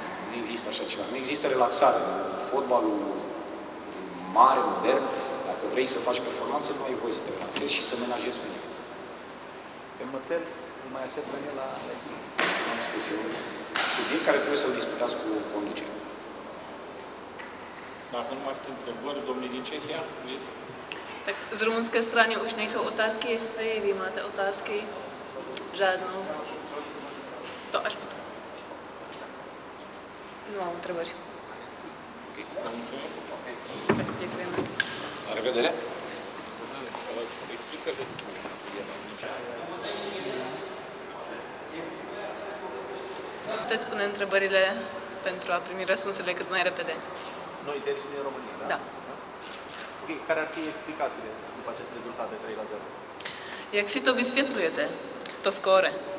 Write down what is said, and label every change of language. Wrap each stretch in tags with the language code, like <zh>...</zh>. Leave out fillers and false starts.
<ro>Nu există așa ceva. Nu există relaxare. Fotbalul mare, modern, dacă vrei să faci performanță, nu ai voie să te relaxezi și să menajezi pe el. Pe Mățel, îl mai aștept pe la echipă. Am spus, eu subiect care trebuie să-l disputați cu conducerea. Dacă nu mai sunt întrebări, domnii din Cehia,</ro> <cs>z rumunské strany už nejsou otázky, jestli vy máte otázky? Žádnou. To až potom.</cs> <ro>Nu am întrebări.</ro> <cs>Děkujeme.</cs> <ro>La revedere! Explică de tu. Puteți pune întrebările pentru a primi răspunsurile cât mai repede. Noi de aici din România, da? Da. Ok, care ar fi explicațiile după acest rezultat de 3-0?</ro> <cs>Jak si to vysvětlujete, to score?</cs>